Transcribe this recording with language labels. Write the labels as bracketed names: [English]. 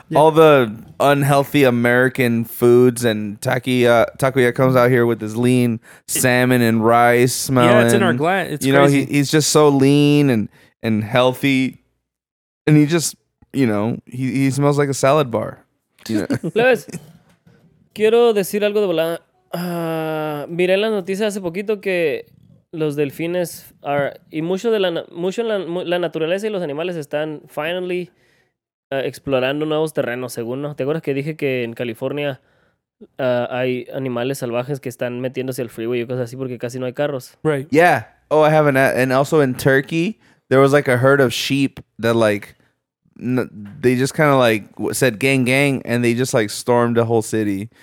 [English] All the unhealthy American foods, and Takuya comes out here with his lean salmon and rice smelling. Yeah, it's in our gland. It's you crazy. You know, he's just so lean and healthy. And he just, you know, he smells like a salad bar. [Spanish] Luis, quiero decir algo de volada. Miré en las noticias hace poquito que los delfines are, y mucho de la, mucho la, la naturaleza y los animales están finally explorando nuevos terrenos, según, ¿no? ¿Te acuerdas que dije que en California hay animales salvajes que están metiéndose al freeway y cosas así porque casi no hay carros? [English] Right. Yeah. Oh, I have an, and also in Turkey, there was like a herd of sheep that like, they just kind of like said gang gang and they just like stormed a whole city.